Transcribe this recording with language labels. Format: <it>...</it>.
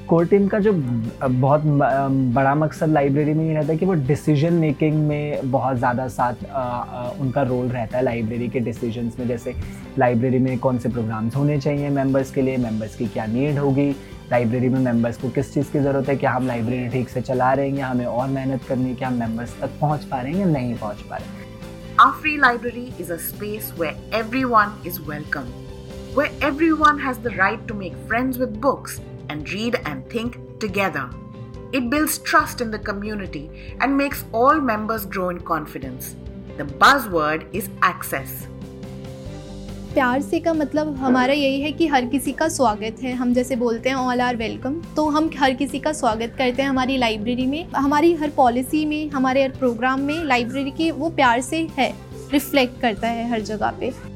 <hi>Core team का जो बहुत बड़ा मकसद लाइब्रेरी में ये रहता है कि वो डिसीजन मेकिंग में बहुत ज़्यादा साथ उनका रोल रहता है लाइब्रेरी के डिसीजंस में, जैसे लाइब्रेरी में कौन से प्रोग्राम्स होने चाहिए मेंबर्स के लिए, मेंबर्स की क्या नीड होगी, लाइब्रेरी में मेंबर्स को किस चीज़ की ज़रूरत है, क्या हम लाइब्रेरी ठीक से चला रहे हैं या हमें और मेहनत करनी है, क्या हम मेंबर्स तक पहुँच पा रहे हैं या नहीं पहुँच पा रहे हैं।</hi> <en>Our free library is a space where everyone is welcome, where everyone has the right to make friends with books and read and think together. It builds trust in the community and makes all members grow in confidence. The buzzword is access.</en> <hi>प्यार से का मतलब हमारा यही है कि हर किसी का स्वागत है। हम जैसे बोलते हैं</hi> <en>all are welcome,</en> <hi>तो हम हर किसी का स्वागत करते हैं हमारी लाइब्रेरी में, हमारी हर पॉलिसी में, हमारे हर प्रोग्राम में लाइब्रेरी की वो प्यार से है, रिफ्लेक्ट करता है हर जगह पे।</hi>